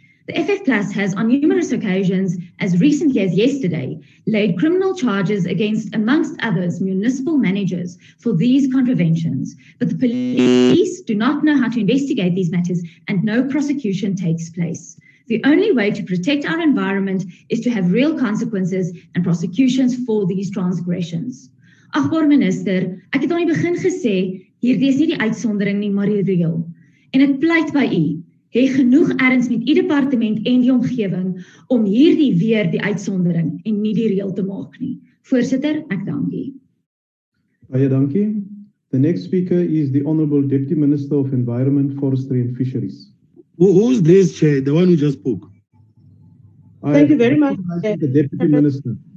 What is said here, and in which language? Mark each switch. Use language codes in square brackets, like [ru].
[en] The FF Plus has on numerous occasions, as recently as yesterday, laid criminal charges against, amongst others, municipal managers for these contraventions. But the police do not know how to investigate these matters and no prosecution takes place. The only way to protect our environment is to have real consequences and prosecutions for these transgressions. [af] Agbar Minister, ek het aan die begin gesê, hierdie is nie die uitsondering nie, maar die reël. En ek pleit by u. Hê genoeg erns met u departement en die omgewing om hierdie weer die uitsondering en nie die reël te maak nie. Voorsitter, ek dank u. Baie dankie. [en] The next speaker is the Honourable Deputy Minister of Environment, Forestry and Fisheries. Who's this chair? The one who just spoke. Thank you very much. The Deputy Minister.